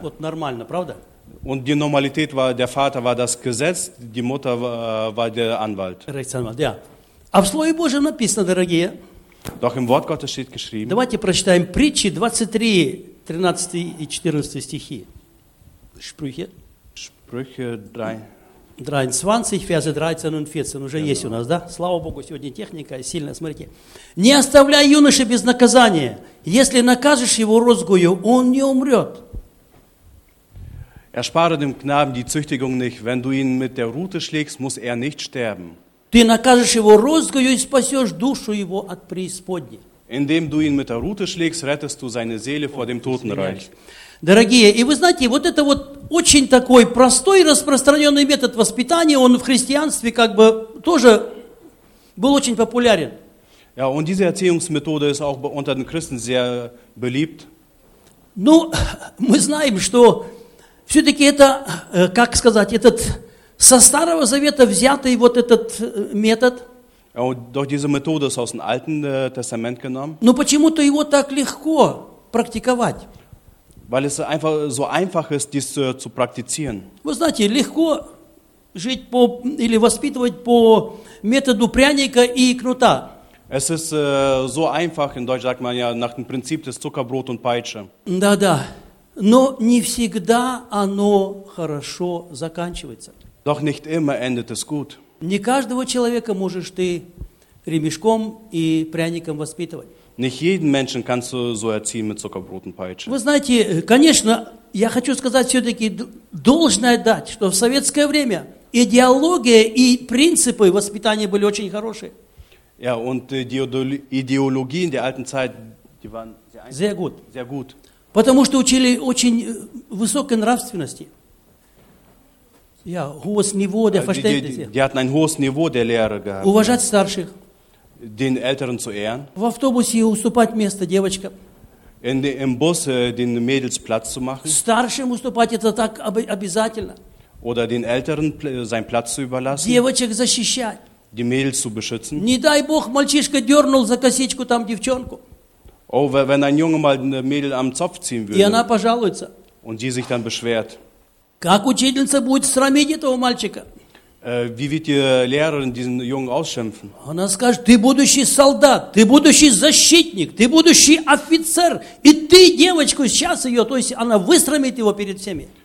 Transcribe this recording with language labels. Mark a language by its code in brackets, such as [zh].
[ru] Вот нормально, правда? [de] Und die Normalität war, der Vater war das Gesetz, die Mutter war der Anwalt. Rechtsanwalt, ja. [ru] А в Слове Божьем написано, дорогие. [de] Doch im Wort Gottes steht geschrieben. [ru] Давайте прочитаем притчи 23, 13 и 14 стихи. [de] Sprüche 3. 23, Verse 13 und 14. Уже есть у нас, да? [ru] Слава Богу, сегодня техника сильная. Смотрите. Не оставляй юноши без наказания. Если накажешь его розгою, он не умрет. [de] Erspare dem Knaben die Züchtigung nicht. Wenn du ihn mit der Rute schlägst, muss er nicht sterben. [ru] Ты накажешь его розгою и спасешь душу его от преисподней. [de] Indem du ihn mit der Rute schlägst, rettest du seine Seele vor dem Totenreich. [ru] Дорогие, и вы знаете, вот это вот очень такой простой и распространенный метод воспитания, он в христианстве как бы тоже был очень популярен. [de] Ja, und diese Erziehungsmethode ist auch unter den Christen sehr beliebt. [ru] Ну, мы знаем, что все-таки это, как сказать, этот со Старого Завета взятый вот этот метод. [de] Ja, und doch diese Methode ist aus dem Alten Testament genommen. [ru] Но почему-то его так легко практиковать. [de] Weil es einfach so einfach ist, dies zu praktizieren. [ru] Вы знаете, легко жить по, или воспитывать по методу пряника и кнута. [de] Es ist so einfach, in Deutsch sagt man ja, nach dem Prinzip des Zuckerbrot und Peitsche. [ru] Да-да, но не всегда оно хорошо заканчивается. [de] Doch nicht immer endet es gut. [ru] Не каждого человека можешь ты ремешком и пряником воспитывать. [de] Nicht jeden Menschen kannst du so erziehen mit Zuckerbrot und Peitsche. [ru] Вы знаете, конечно, я хочу сказать все-таки должное дать, что в советское время идеология и принципы воспитания были очень хорошие. [de] Ja, und die Ideologie in der alten Zeit, die waren sehr gut. Sehr gut. [ru] Потому что учили очень высокой нравственности. [de] Ja, hohes Niveau der Verständnis. Die hatten ein hohes Niveau der Lehre gehabt. [ru] Уважать старших. [de] Den Älteren zu ehren. [ru] В автобусе уступать место девочкам. [de] Im Bus den Mädels Platz zu machen. [ru] Старшим уступать это так обязательно. [de] Oder den Älteren seinen Platz zu überlassen. [ru] Девочек защищать. [de] Die Mädels zu beschützen. [ru] Не дай бог мальчишка дернул за косичку там девчонку. [de] Oh, wenn ein Junge mal ein Mädel am Zopf ziehen würde. [ru] И она пожалуется. [de] Und die sich dann beschwert. [ru] Как учительница будет срамить этого мальчика? [de] Wie wird die Lehrerin diesen Jungen ausschimpfen? [ru] Она скажет, ты будущий солдат, ты будущий защитник, ты будущий офицер, и ты девочку сейчас ее, то есть она выстрамит его перед всеми.